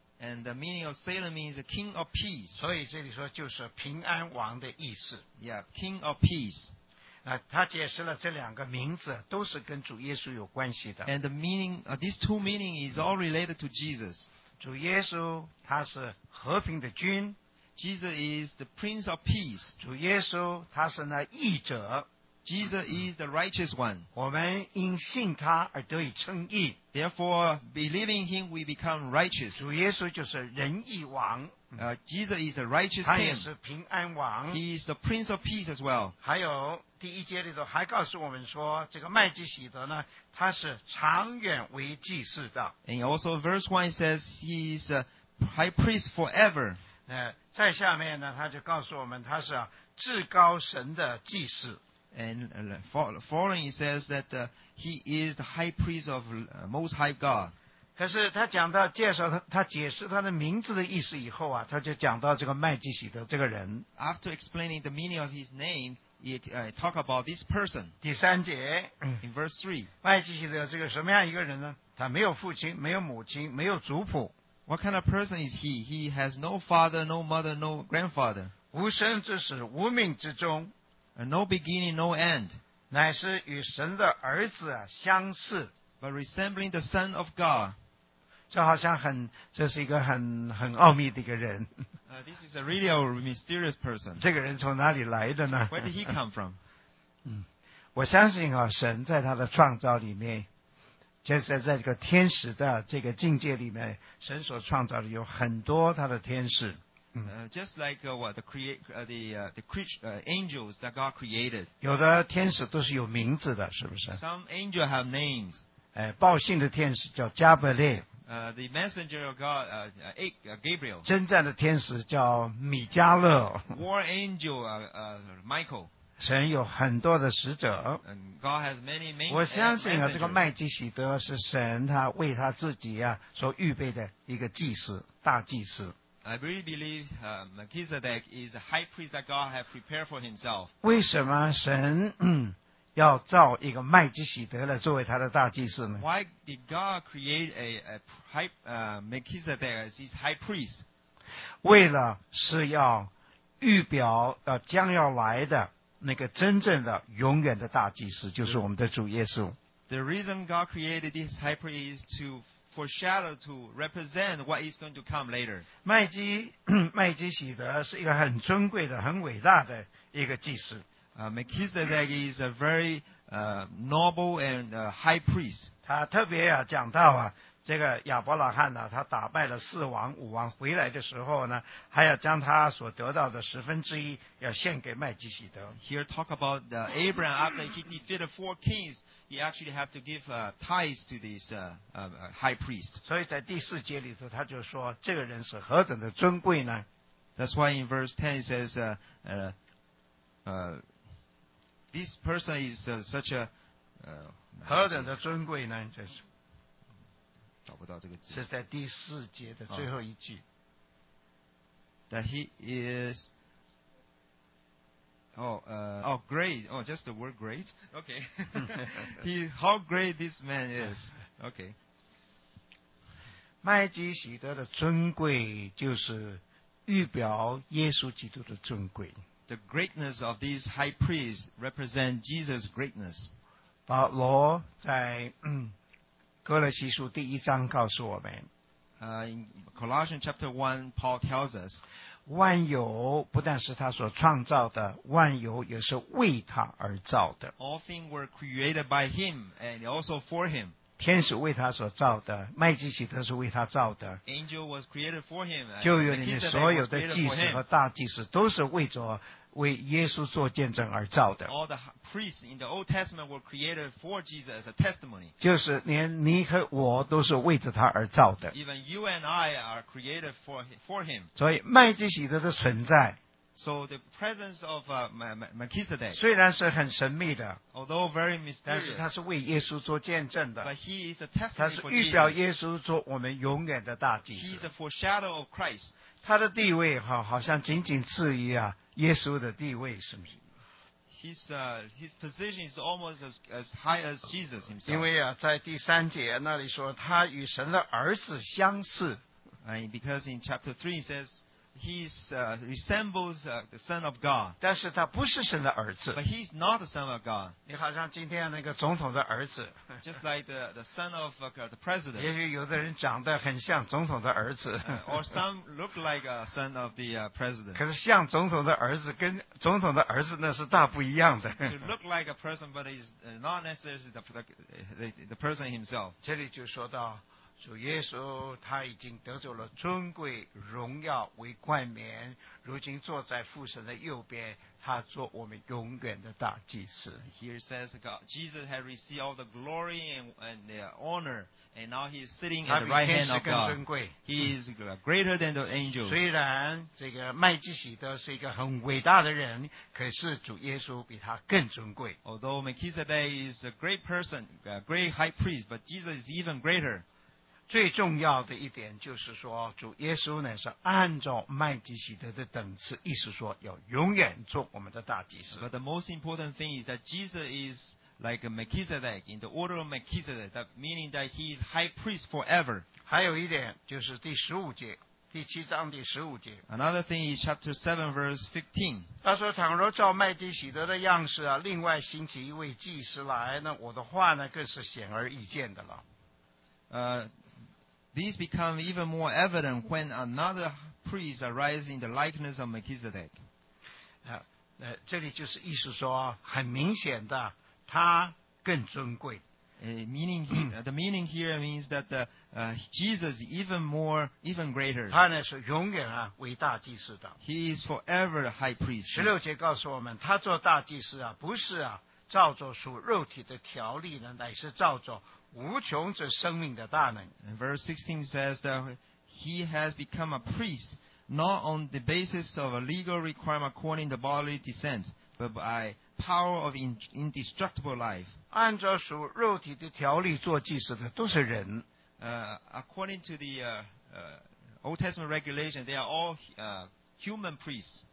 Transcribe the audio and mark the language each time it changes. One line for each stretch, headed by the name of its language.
English: And the meaning of Salem means the King of Peace.
Chinese: 所以这里说就是平安王的意思。
English: Yeah, King of Peace.
Chinese: 他解释了这两个名字都是跟主耶稣有关系的。
English: And the meaning, these two meanings is all related to Jesus.
Chinese: 主耶稣他是和平的君。
English: Jesus is the Prince of Peace.
Chinese: 主耶稣他是那义者。
English: Jesus is the righteous one.
Chinese: 我们因信他而得以称义。
English: Therefore, believing him, we become righteous.
Chinese: 主耶稣就是仁义王。
English: Jesus is the righteous king.
Chinese: 他也是平安王。
English: He is the Prince of Peace as well.
Chinese: 还有第一节里头还告诉我们说，这个麦基洗德呢，他是长远为祭司的。
English: And also verse 1 says he is a high priest forever.
Chinese: 再下面呢，他就告诉我们他是至高神的祭司。
English: And following he says that he is the high priest of most high God.
Chinese: 可是他讲到介绍他解释他的名字的意思以后啊，他就讲到这个麦基洗德这个人。
English: After explaining the meaning of his name,talk about this person.
Chinese: 第三节
English: in verse 3,
Chinese: 麦基洗德这个什么样一个人呢？他没有父亲，没有母亲，没有族谱。
English: What kind of person is he? He has no father, no mother, no grandfather.
Chinese: 无生之始，无命之终。
English: No beginning, no end.
Chinese: 乃是与神的儿子相似。
English: But resembling the Son of God.
Chinese: 这好像很，这是一个很奥秘的一个人。
English: This is a really a mysterious person.
Chinese: 这个人从哪里来的呢？
English: Where did he come from?
Chinese: 我相信啊，神在他的创造里面，就是在这个天使的这个境界里面，神所创造的有很多他的天使。
English: Just like what the angels that God created.
Chinese: 有的天使都是有名字的，是不是？
English: Some angels have names.
Chinese: 报信的天使叫加百列。
English: The messenger of God, Gabriel.
Chinese: 征战的天使叫米迦勒。
English: War angel, Michael.
Chinese: 神有很多的使者。
English: God has many messengers.
Chinese: 我相信啊，这个麦基洗德是神他为他自己啊所预备的一个祭司，大祭司。
English: I really believe Melchizedek is a high priest that God has prepared for himself.
Chinese: 为什么神要造一个麦基洗德来作为他的大祭司呢？
English: Why did God create Melchizedek as his high priest?
Chinese: 为了是要预表将要来的那个真正的永远的大祭司，就是我们的主耶稣。
English: The reason God created this high priest is to foreshadow, to represent what is going to come later.
Chinese: 麦基洗德是一个很尊贵的、很伟大的一个祭司。
English: Melchizedek is a very noble and high priest.
Chinese: 他特别啊讲到啊，这个亚伯拉罕呢，他打败了四王五王回来的时候呢，还要将他所得到的十分之一要献给麦基洗德。
English: Here talk about Abraham after he defeated four kings, he actually have to give tithes to this high priest.
Chinese: 所以在第四节里头，他就说这个人是何等的尊贵呢
English: ？That's why in verse 10 it says This person is such a
Chinese: 何等的尊贵呢？这是找不到这个字。是在第四节的最后一句。
English: That he is great. Oh, just the word great. Okay. how great this man is. Okay.
Chinese: 麦基洗德的尊贵就是预表耶稣基督的尊贵。
English: The greatness of this high priest represents Jesus' greatness.
Chinese: 保罗在哥罗西书第一章告诉我们。
English: In Colossians chapter 1, Paul tells us,
Chinese: 万有不但是他所创造的，万有也是为他而造的。
English: All things were created by him and also for him.
Chinese: 天使为他所造的，麦基洗德是为他造的。
English: Angel was created for him.
Chinese: 旧约里面所有的祭司和大祭司都是为着为耶稣做见证而造的。
English: All the priests in the Old Testament were created for Jesus as a testimony.
Chinese: 就是连你和我都是为着他而造的。
English: Even you and I are created for him.
Chinese: 所以麦基洗德的存在。
English: So the presence of Melchizedek.
Chinese: 虽然是很神秘的。
English: Although very mysterious.
Chinese: 但是他是为耶稣做见证的。
English: But he is a testimony for
Chinese: Jesus. 他是预表耶稣做我们永远的大祭司。
English: He is a foreshadow of Christ.
Chinese: 他的地位好像仅仅次于啊。耶稣的地位是不是
English: his position is almost as high as Jesus himself.
Chinese: 因为啊，在第三节那里说他与神的儿子相似。
English: Because in chapter 3 it says he's resembles the son of God.
Chinese: 但是他不是神的儿子。
English: But he's not the son of God.
Chinese: 你好像今天那个总统的儿子。
English: Just like the son of the president.
Chinese: 也许有的人长得很像总统的儿子。
English: Or some look like a son of the president.
Chinese: 可是像总统的儿子跟总统的儿子那是大不一样的。
English: To look like a person, but he's not necessarily the person himself.
Chinese: 这里就说到主耶稣他已经得着了尊贵荣耀为冠冕，如今坐在父神的右边，他做我们永远的大祭司。
English: Here says God, Jesus has received all the glory and the honor, and now he is sitting at the right hand of God.
Chinese: 尊贵
English: he is greater than the angels.
Chinese: 虽然这个麦基洗德是一个很伟大的人，可是主耶稣比他更尊贵。
English: Although Melchizedek is a great person, a great high priest, but Jesus is even greater.
Chinese: 最重要的一点就是说，主耶稣呢是按照麦基洗德的等次，意思说要永远做我们的大祭司。
English: But the most important thing is that Jesus is like Melchizedek in the order of Melchizedek, that meaning that he is high priest forever.
Chinese: 还有一点就是第十五节，第七章第十五节。
English: Another thing is chapter 7 verse 15.
Chinese: 他说：“倘若照麦基洗德的样式啊，另外兴起一位祭司来，那我的话呢更是显而易见的了。”
English: These become even more evident when another priest arises in the likeness of Melchizedek.
Chinese: 这里就是意思说，很明显的，他更尊贵。
English: Meaning, the meaning here means that Jesus is even more, even greater.
Chinese: 他呢是永远啊为大祭司的。
English: He is forever the high priest.
Chinese: 十六节告诉我们，他做大祭司啊，不是啊照着属肉体的条例呢，乃是照着。无穷之生命的大能。
English: And verse 16 says that he has become a priest not on the basis of a legal requirement according to bodily descent, but by power of indestructible life.
Chinese: 按照属肉体的条例做祭司的都是人。
English: According to the Old Testament regulation, they are all human priests.